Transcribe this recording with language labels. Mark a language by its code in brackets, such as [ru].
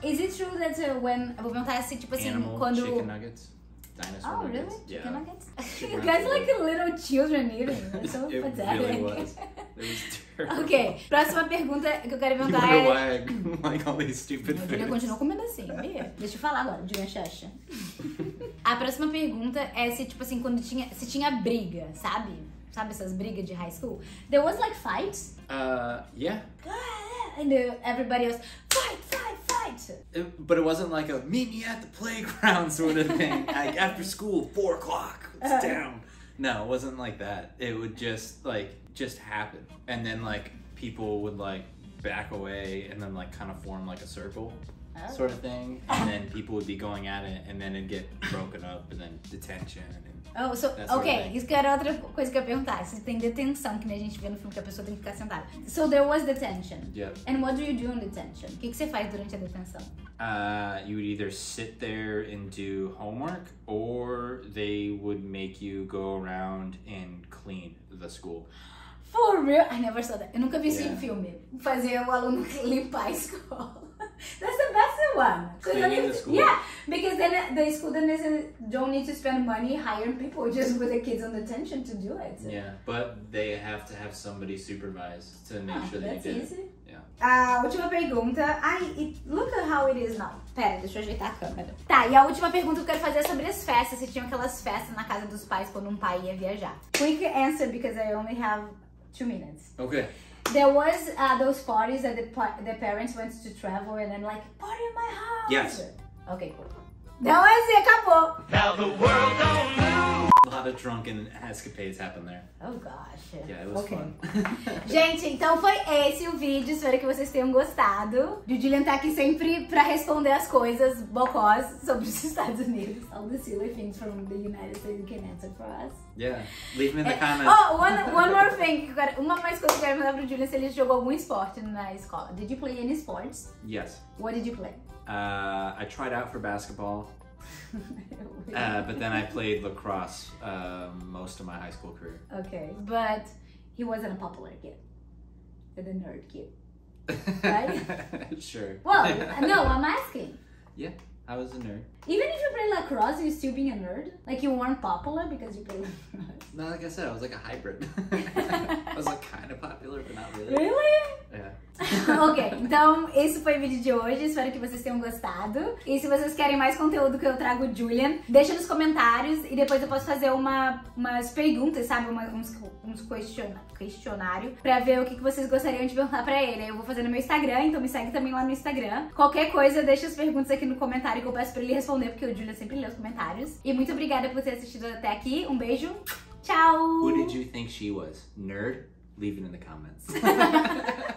[en] Is it true that when... [pt] Eu vou perguntar assim, tipo animal, assim, quando... [en] chicken nuggets. Dinosaur oh, nuggets. Oh, really? Chicken nuggets? You guys are like little children eating. They're so it pathetic. It really was. It was terrible. [pt] Okay, próxima pergunta que eu quero perguntar [en] é... You wonder why I like all these stupid [pt] foods. Eu continuo comendo assim, Bia. Deixa eu falar agora, de uma xaxa. A próxima pergunta é se, tipo assim, quando tinha... Se tinha briga, sabe? Sabe essas brigas de high school? [en] There was like fights? Yeah. And everybody was fight, fight, fight! But it wasn't like a meet me at the playground sort of thing. Like after school, 4 o'clock, it's down. No, it wasn't like that. It would just happen. And then like people would like back away and then like kind of form like a circle. Oh. Sort of thing, and then people would be going at it, and then it'd get broken up, and then detention, and [pt] Isso que era outra coisa que eu ia perguntar. Se tem detenção, que nem a gente vê no filme, que a pessoa tem que ficar sentada. [en] So there was detention. Yeah. And what do you do in detention? [pt] O que você faz durante a detenção? [en] You would either sit there and do homework, or they would make you go around and clean the school. For real? I never saw that. [pt] Eu nunca vi isso em filme. Fazer o aluno limpar a escola. [en] That's the best one. Cleaning the school. Yeah, because then the school then don't need to spend money hiring people just with the kids on detention to do it. So. Yeah, but they have to have somebody supervise to make sure that they did. Easy. Yeah. [pt] Última pergunta. [en] Look at how it is now. [pt] Pera, deixa eu ajeitar a câmera. Tá, e a última pergunta que eu quero fazer é sobre as festas. Se tinham aquelas festas na casa dos pais quando um pai ia viajar. [en] Quick answer, because I only have 2 minutes. Okay. There was those parties that the parents went to travel and then like, party in my house! Yes. Okay, cool. That was it, acabou! Now the world don't move! A lot of drunken escapades happened there. Oh gosh. Yeah, it was okay. Fun. [pt] Gente, então foi esse o vídeo, espero que vocês tenham gostado. Julian tá aqui sempre pra responder as coisas bocós sobre os Estados Unidos. [en] All the silly things from the United States you can answer for us. Yeah, leave me in the comments. Oh, one more thing. [pt] Uma mais coisa que eu quero mandar pro Julian se ele jogou algum esporte na escola. [en] Did you play any sports? Yes. What did you play? I tried out for basketball. But then I played lacrosse most of my high school career. Okay, but he wasn't a popular kid. But a nerd kid. Right? Sure. Well, no, I'm asking. Yeah. I was a nerd. Even if you play lacrosse, you're still being a nerd? Like, you weren't popular because you played lacrosse? No, like I said, I was like a hybrid. I was like kind of popular, but not really. Really? Yeah. [pt] Ok, então esse foi o vídeo de hoje. Espero que vocês tenham gostado. E se vocês querem mais conteúdo que eu trago, Julian, deixa nos comentários e depois eu posso fazer umas perguntas, sabe? Uns questionário pra ver o que vocês gostariam de perguntar pra ele. Eu vou fazer no meu Instagram, então me segue também lá no Instagram. Qualquer coisa, deixa as perguntas aqui no comentário que eu peço pra ele responder, porque o Julian sempre lê os comentários. E muito obrigada por ter assistido até aqui. Um beijo. Tchau! [en] Who did you think she was? Nerd? Leave it in the comments.